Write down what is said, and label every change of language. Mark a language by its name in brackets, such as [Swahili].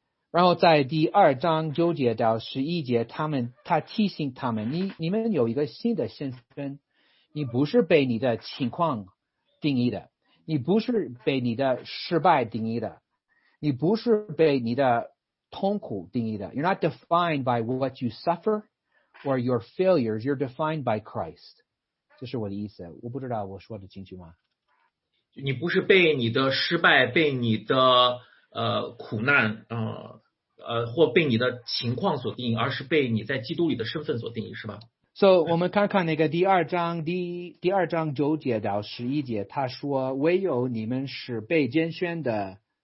[Chinese] 然后在第二章九节到十一节，他提醒他们，你们有一个新的身份，你不是被你的情况定义的，你不是被你的失败定义的，你不是被你的痛苦定义的。 [English] You're not defined by what you sufferOr your failures, you're defined by Christ. [Chinese] 这是我的意思，我不知道我说的进去吗？你不是被你的失败，被你的苦难，或被你的情况所定义，而是被你在基督里的身份所定义，是吧？ So, 我们看看那个第二章九节到十一节，他说，唯有你们是被拣选的。